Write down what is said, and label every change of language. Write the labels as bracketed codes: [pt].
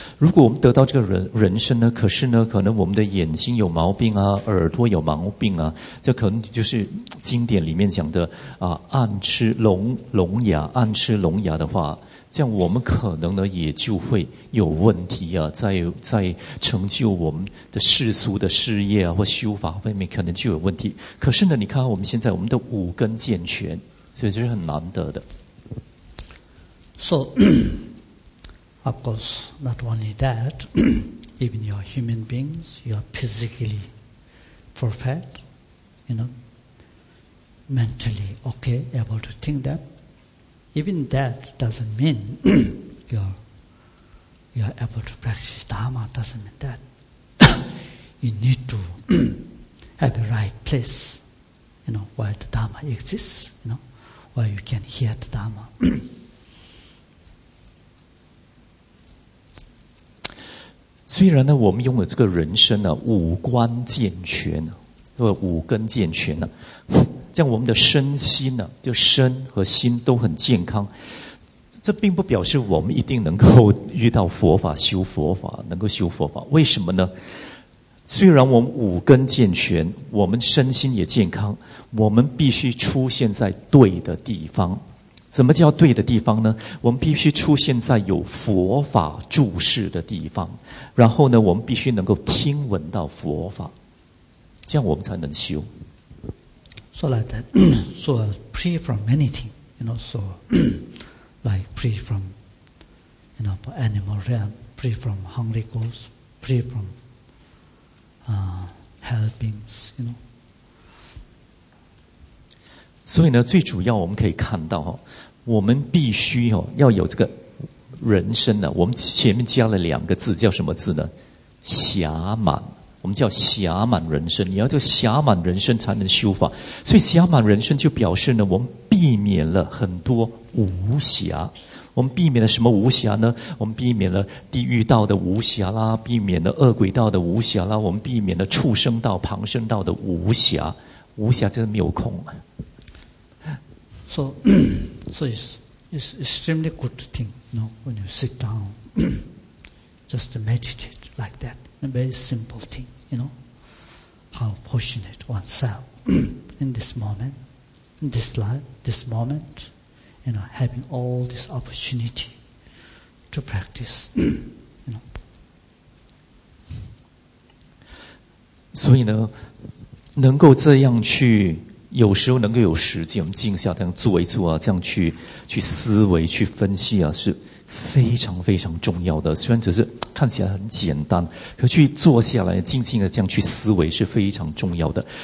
[zh] 如果我们得到这个人生呢，可是呢，可能我们的眼睛有毛病啊，耳朵有毛病啊，这可能就是经典里面讲的啊，暗吃聋哑的话，这样我们可能呢也就会有问题啊，在成就我们的世俗的事业啊或修法方面可能就有问题。可是呢，你看我们现在我们的五根健全，所以这是很难得的。 [en] So, of course, not only that, even you are human beings, you are physically perfect, you know, mentally okay, able to think that.Even that doesn't mean your you are able to practice Dharma doesn't mean that. You need to have the right place, you know, where the Dharma exists, you know, where you can hear the Dharma. [zh] 虽然呢，我们拥有这个人生呢，五官健全，对，五根健全呢，这样我们的身心呢，就身和心都很健康。这并不表示我们一定能够遇到佛法、修佛法，能够修佛法。为什么呢？虽然我们五根健全，我们身心也健康，我们必须出现在对的地方。怎么叫对的地方呢？我们必须出现在有佛法住世的地方，然后呢，我们必须能够听闻到佛法，这样我们才能修。 [en] So like that, so free from anything, you know, so like free from, you know, animal realm, free from hungry ghosts, free from hell beings, you know. [zh] 所以呢，最主要我们可以看到，我们必须要有这个人生呢。我们前面加了两个字，叫什么字呢？暇满。我们叫暇满人生。你要叫暇满人生才能修法。所以暇满人生就表示呢，我们避免了很多无暇。我们避免了什么无暇呢？我们避免了地狱道的无暇啦，避免了恶鬼道的无暇啦，我们避免了畜生道、旁生道的无暇。无暇就是没有空。 [en] So it's extremely good thing, you know, when you sit down, just to meditate like that. A very simple thing, you know. How fortunate oneself in this moment, in this life, this moment, you know, having all this opportunity to practice, you know. So, you know, [zh] 能够这样去有时候能够有时间，我们静下，这样坐一坐啊，这样去思维、去分析啊，是非常非常重要的。虽然只是看起来很简单，可去坐下来静静的这样去思维是非常重要的。